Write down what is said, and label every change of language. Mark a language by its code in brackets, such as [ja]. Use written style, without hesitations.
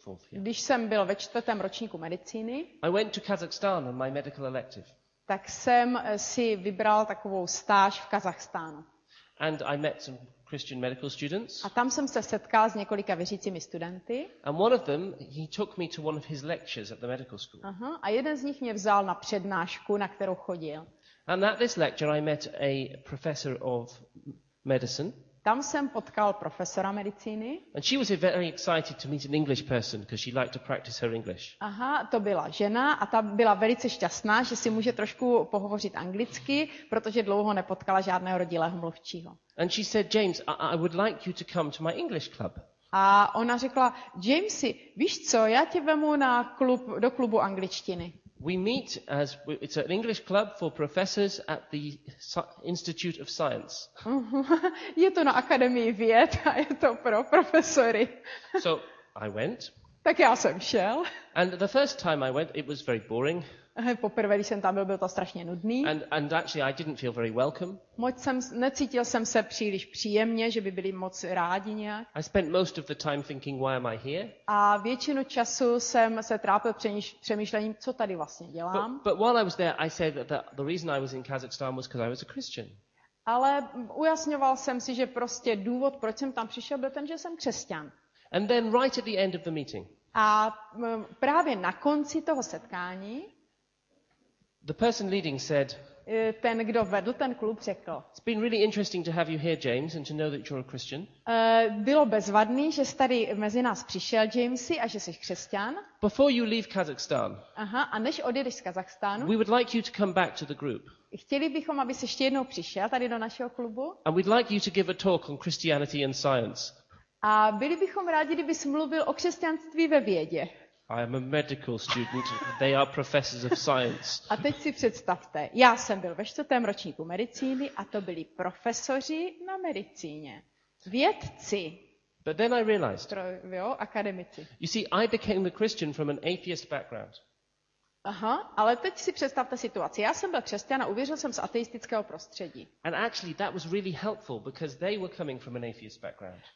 [cs] Když jsem byl ve čtvrtém ročníku medicíny, [en] I went to Kazakhstan on my medical elective. [cs] Tak jsem si vybral takovou stáž v Kazachstánu. [en] And I met some Christian medical students. [cs] A tam jsem se setkal s několika věřícími studenty. [en] And one of them, he took me to one of his lectures at the medical school. [cs] A jeden z nich mě vzal na přednášku, na kterou chodil. [en] And at this lecture I met a professor of medicine. [cs] Tam jsem potkal profesora medicíny. [en] And she was very excited to meet an English person because she liked to practice her English. [cs] Aha, to byla žena a ta byla velice šťastná, že si může trošku pohovořit anglicky, protože dlouho nepotkala žádného rodilého mluvčího. [en] And she said, James, I would like you to come to my English club. [cs] A ona řekla, Jamesy, víš co, já tě vemu na klub, do klubu angličtiny. [en] We meet as it's an English club for professors at the Institute of Science. [cs] Je to na akademii věd a je to pro profesory. [en] So I went. [cs] Tak já jsem šel. [en] And the first time I went, it was very boring. [cs] Poprvé, když jsem tam byl, bylo to strašně nudný. [en] And actually, I didn't feel very welcome. [cs] Necítil jsem se příliš příjemně, že by byli moc rádi nějak. [en] I spent most of the time thinking, why am I here? [cs] A většinu času jsem se trápil přemýšlením, co tady vlastně dělám. [en] But while I was there, I said that the reason I was in Kazakhstan was because I was a Christian. [cs] Ale ujasňoval jsem si, že prostě důvod, proč jsem tam přišel, byl ten, že jsem křesťan. [en] And then right at the end of the meeting. [cs] A právě na konci toho setkání. [en] The person leading said, [cs] ten, kdo vedl ten klub, řekl, [en] it's been really interesting to have you here, James, and to know that you're a Christian. [cs] Bylo bezvadný, že jsi tady mezi nás přišel, Jamesy, a že jsi křesťan. [en] Before you leave Kazakhstan, [cs] a než odjedeš z Kazachstánu, [en] we would like you to come back to the group. [cs] Chtěli bychom, aby jsi ještě jednou přišel tady do našeho klubu. [en] And we'd like you to give a talk on Christianity and science. [cs] A byli bychom rádi, kdyby jsi mluvil o křesťanství ve vědě. [en] I am a medical student. They are professors of science. [cs] A teď si představte, já jsem byl ve čtvrtém ročníku medicíny a to byli profesoři na medicíně. Vědci. [en] But then I realized. [cs] Jo, akademici. [en] You see, I became the Christian from an atheist background. [cs] Aha, ale teď si představte situaci. Já jsem byl křesťan a uvěřil jsem z ateistického prostředí. [en] And actually that was really helpful because they were coming from an atheist background.